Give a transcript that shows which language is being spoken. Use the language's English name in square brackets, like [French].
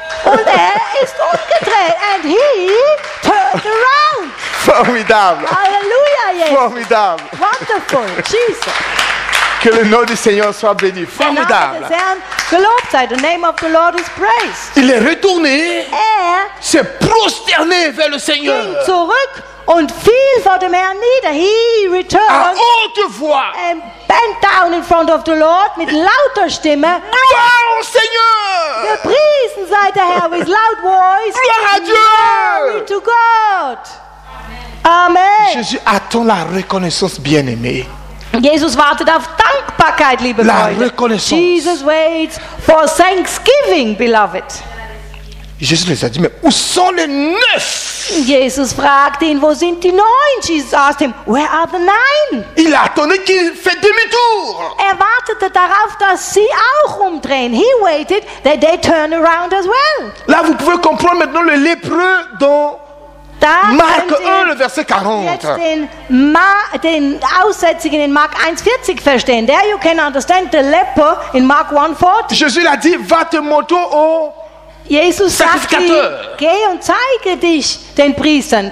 [German] Und er ist umgedreht. [English] And he turned around. [French] Formidable. Alleluia, Jesus. Formidable. [English] Wonderful. Jesus. [French] Que le nom du Seigneur soit béni. Formidable. [German] Gelobt sei, [English] the name of the Lord is praised. [French] Il est retourné. [German] Er [French] s'est prosterné vers le Seigneur. [German] Ging zurück und fiel vor dem Herrn nieder. [English] He returned. [French] À haute voix. [English] And bent down in front of the Lord [German] mit lauter Stimme. [French] Gloire au Seigneur. [German] Gepriesen sei der Herr [English] with loud voice. [French] Gloire à Dieu. [English] Glory to God. Amen. [French] Jésus attend la reconnaissance bien-aimée. [German] Jesus wartet auf Dankbarkeit, liebe [French] La [German] Freunde. [French] Reconnaissance. [English] Jesus waits for thanksgiving, beloved. [French] Jesus les a dit, mais où sont les neuf? [German] Jesus fragt ihn, wo sind die neun? [English] Jesus asked him, where are the nine? [French] Il a attendu qu'il fait demi-tour. [German] Er wartete darauf, dass sie auch umdrehen. [English] He waited that they turn around as well. [French] Là, vous pouvez comprendre maintenant le lépreux dans [German] da [French] Marc 1, le verset 40. [German] Jetzt den Aussätzigen in Mark 1,40 verstehen. [English] There you can understand the leper in Mark 1,40. [French] Jesus l'a dit, va te montrer au [German] Jesus sagt ihm, geh und zeige dich den Priestern.